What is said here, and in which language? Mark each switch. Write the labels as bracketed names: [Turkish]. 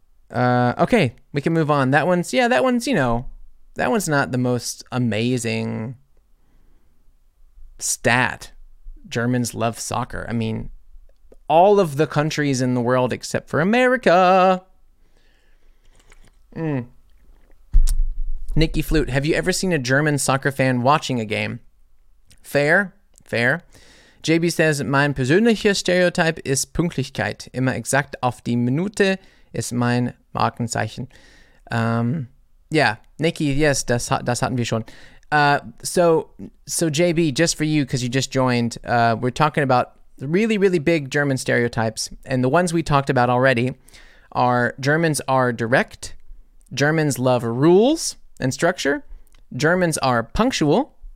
[English] Okay, we can move on. That one's not the most amazing stat. Germans love soccer. I mean, all of the countries in the world except for America. Nikki Flute, have you ever seen a German soccer fan watching a game? Fair, fair. JB says, [German] mein persönlicher Stereotype ist Pünktlichkeit. Immer exakt auf die Minute ist mein Markenzeichen. [English] Yeah, Nikki, yes, [German] das hatten wir schon. [English] So JB, just for you, because you just joined, we're talking about really, really big German stereotypes. And the ones we talked about already are Germans are direct. Germans love rules and structure. Germans are punctual.